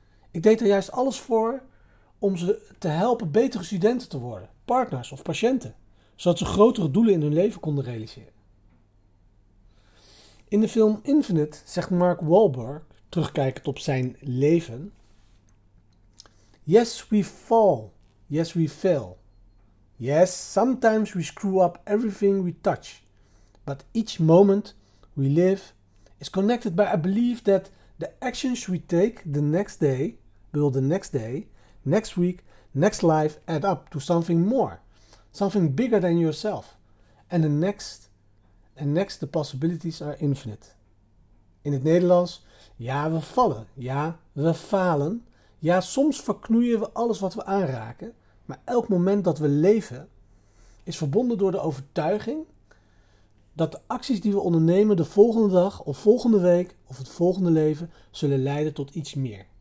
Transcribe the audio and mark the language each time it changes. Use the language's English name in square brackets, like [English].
[Dutch] Ik deed er juist alles voor om ze te helpen betere studenten te worden, partners of patiënten, zodat ze grotere doelen in hun leven konden realiseren. In de film Infinite zegt Mark Wahlberg, terugkijkend op zijn leven: yes, we fall. [English] Yes, we fail. Yes, sometimes we screw up everything we touch. But each moment we live is connected by a belief that the actions we take the next day will the next day, next week, next life add up to something more, something bigger than yourself. And next, the possibilities are infinite. [Dutch] In het Nederlands, ja, we vallen. Ja, we falen. Ja, soms verknoeien we alles wat we aanraken. Maar elk moment dat we leven is verbonden door de overtuiging dat de acties die we ondernemen de volgende dag of volgende week of het volgende leven zullen leiden tot iets meer.